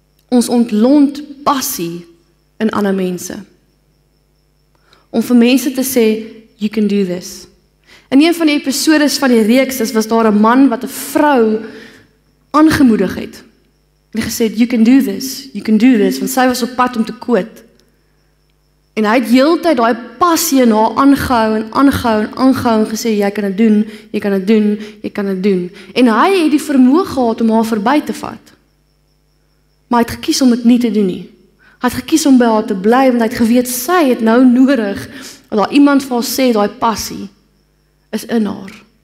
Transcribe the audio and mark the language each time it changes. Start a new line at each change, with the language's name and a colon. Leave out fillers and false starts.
Afrikaans: Ons ontlont passie in ander mense. Om vir mense te sê,
English: you can do this.
Afrikaans: In een van die episodes van die reeks was daar 'n man wat 'n vrou aangemoedig het. Hy gesê,
English: you can do this, you can do this,
Afrikaans: want sy was op pad om te quit. En hy het heeltyd daai passie in haar aangehou en aangehou en aangehou en gesê, jy kan dit doen, jy kan dit doen, jy kan dit doen. En hy het die vermoë gehad om haar verby te vat. Maar hy het gekies om dit nie te doen nie. Hy het gekies om by haar te bly, want hy het geweet, sy het nou nodig, dat daar iemand vir haar sê, daai passie is in haar.